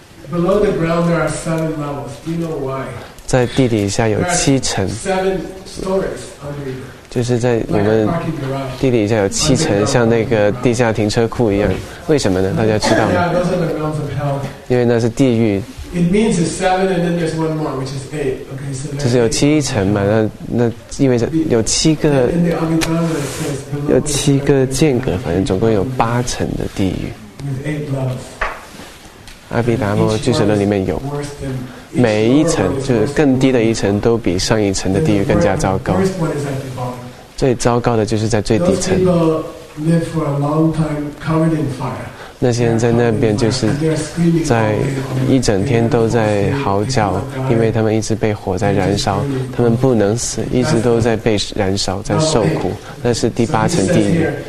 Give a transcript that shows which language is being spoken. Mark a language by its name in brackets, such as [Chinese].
[English] Below the ground there are seven levels. Do you know why? [Chinese] 在地底下有七层。 [English] Seven stories under. [Chinese] 就是在我们地底下有七层，像那个地下停车库一样。为什么呢？大家知道吗？因为那是地狱。 [English] It means it's seven, and then there's one more, which is eight. Okay, so that. [Chinese] 就是有七层嘛，那意味着有七个。 [English] In the Abhidhamma, it says. [Chinese] 有七个间隔，反正总共有八层的地狱。 [English] With eight levels. [Chinese] 阿毗达摩俱舍论里面有，每一层就是更低的一层，都比上一层的地狱更加糟糕。 [English] First one is at the bottom. [Chinese] 最糟糕的就是在最底层。 [English] Those people live for a long time covered in fire. [Chinese] 那些人在那边就是在一整天都在嚎叫，因为他们一直被火在燃烧，他们不能死，一直都在被燃烧，在受苦。那是第八层地狱。